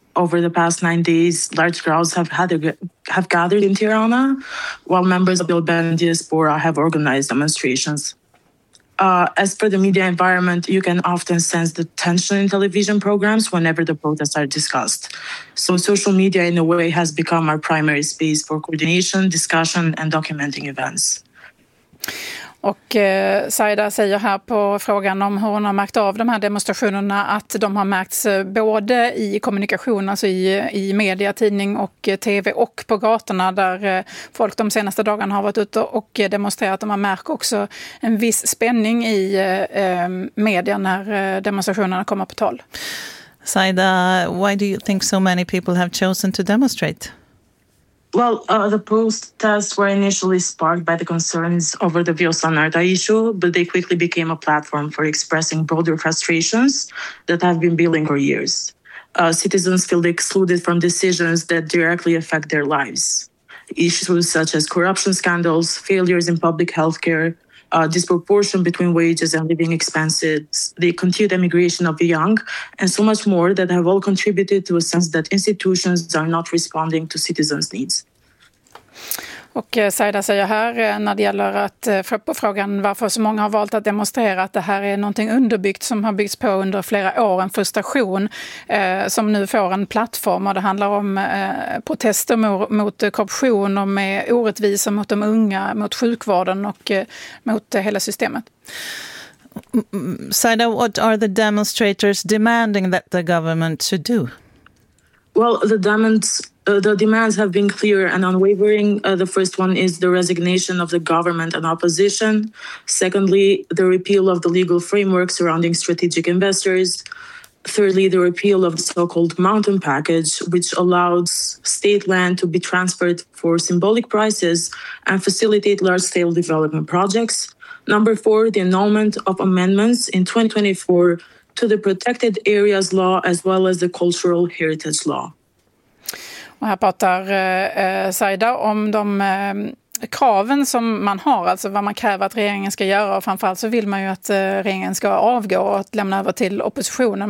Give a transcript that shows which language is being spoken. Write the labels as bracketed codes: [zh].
[en] Over the past 9 days, large crowds have gathered in Tirana, while members of the Albanian diaspora have organized demonstrations. As for the media environment, you can often sense the tension in television programs whenever the protests are discussed. So social media, in a way, has become our primary space for coordination, discussion and documenting events. [sv] Och Saida säger här på frågan om hur hon har märkt av de här demonstrationerna att de har märkts både i kommunikation, alltså i media, tidning och tv och på gatorna där folk de senaste dagarna har varit ute och demonstrerat. De har märkt också en viss spänning i media när demonstrationerna kommer på tal. [en] Saida, why do you think so many people have chosen to demonstrate? Well, the protests were initially sparked by the concerns over the Vio San Arta issue, but they quickly became a platform for expressing broader frustrations that have been building for years. Citizens feel excluded from decisions that directly affect their lives. Issues such as corruption scandals, failures in public healthcare, disproportion between wages and living expenses, the continued emigration of the young, and so much more that have all contributed to a sense that institutions are not responding to citizens' needs. [sv] Och Saida säger här när det gäller att på frågan varför så många har valt att demonstrera att det här är någonting underbyggt som har byggts på under flera år, en frustration som nu får en plattform, och det handlar om protester mot korruption och med orättvisa mot de unga, mot sjukvården och mot hela systemet. [en] Saida, what are the demonstrators demanding that the government should do? Well, the demands have been clear and unwavering. The first one is the resignation of the government and opposition. Secondly, the repeal of the legal framework surrounding strategic investors. Thirdly, the repeal of the so-called mountain package, which allows state land to be transferred for symbolic prices and facilitate large-scale development projects. Number four, the annulment of amendments in 2024 to the Protected Areas Law as well as the Cultural Heritage Law. [sv] Och här pratar Saida om de kraven som man har, alltså vad man kräver att regeringen ska göra, och framförallt så vill man ju att regeringen ska avgå och att lämna över till oppositionen.